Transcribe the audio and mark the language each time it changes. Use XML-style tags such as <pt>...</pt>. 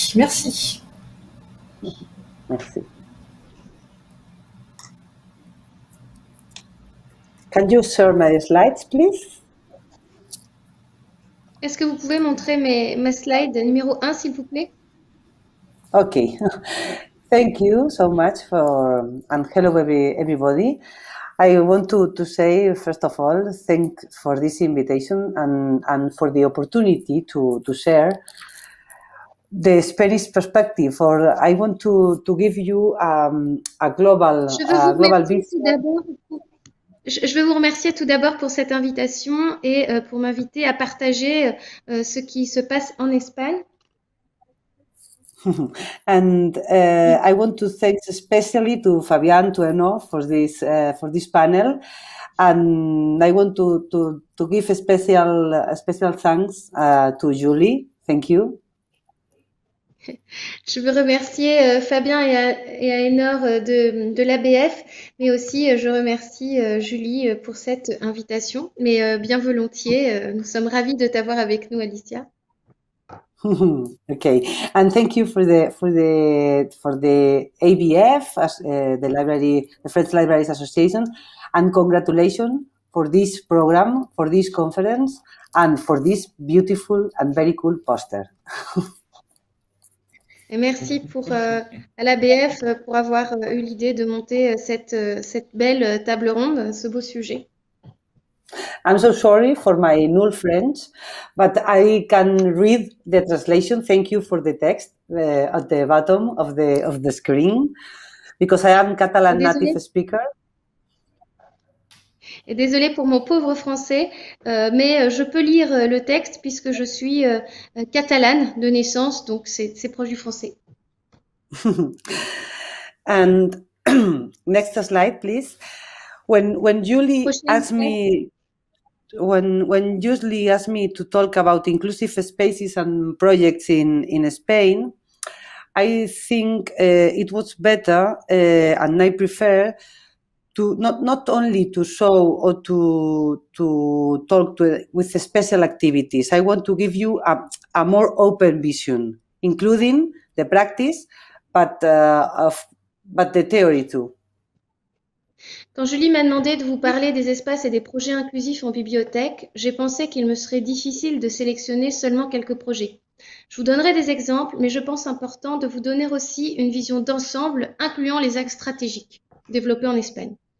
<fr>Merci. Merci.</fr> <en>Can you share my slides, please?</en> <fr>Est-ce que vous pouvez montrer mes slides numéro 1, s'il vous plaît?</fr> <en>Okay, thank you so much and hello everybody. I want to say, first of all, thank for this invitation and for the opportunity to share the Spanish perspective. Or I want to give you a global vision.</en> <fr>Je veux vous remercier tout d'abord pour cette invitation et pour m'inviter à partager ce qui se passe en Espagne.</fr> <en>And I want to thank especially to Fabian, to Eno for this panel, and I want to give a special thanks to Julie. Thank you.</en> <fr>Je veux remercier Fabien et Aénor de l'ABF, mais aussi je remercie Julie pour cette invitation. Mais bien volontiers, nous sommes ravis de t'avoir avec nous, Alicia.</fr> <en>Okay, and thank you for the ABF, the Library, the French Libraries Association, and congratulations for this program, for this conference, and for this beautiful and very cool poster.</en> <fr>Et merci à l'ABF pour avoir eu l'idée de monter cette belle table ronde, ce beau sujet.</fr> <en>I'm so sorry for my null French, but I can read the translation. Thank you for the text at the bottom of the screen, because I am Catalan native speaker.</en> <fr>Et désolée pour mon pauvre français, mais je peux lire le texte puisque je suis catalane de naissance, donc c'est proche du français.</fr> <en>And next slide, please. When Julie asked me to talk about inclusive spaces and projects in Spain, I think it was better and I prefer to not only to show or to talk with special activities. I want to give you a more open vision, including the practice, but the theory too.</en> <fr>Quand Julie m'a demandé de vous parler des espaces et des projets inclusifs en bibliothèque, j'ai pensé qu'il me serait difficile de sélectionner seulement quelques projets. Je vous donnerai des exemples, mais je pense important de vous donner aussi une vision d'ensemble, incluant les axes stratégiques développés en Espagne.</fr>